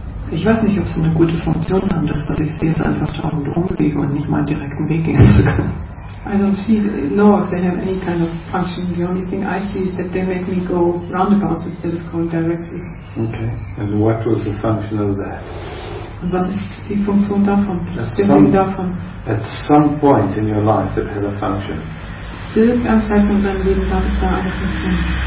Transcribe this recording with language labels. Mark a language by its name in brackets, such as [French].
[German] Ich weiß nicht, ob sie eine gute Funktion haben, das, was ich sehe, ist einfach tausend rumbewegen und nicht mal einen direkten Weg gehen zu können. [English] I don't see, know if they have any kind of function. The only thing I see is that they make me go roundabouts instead of going directly. Okay. And what was the function of that? [German] Und was ist die Funktion davon? Davon? [English] At some point in your life it had a function. [German] Zu irgendeinem Zeitpunkt in deinem Leben gab es da eine Funktion.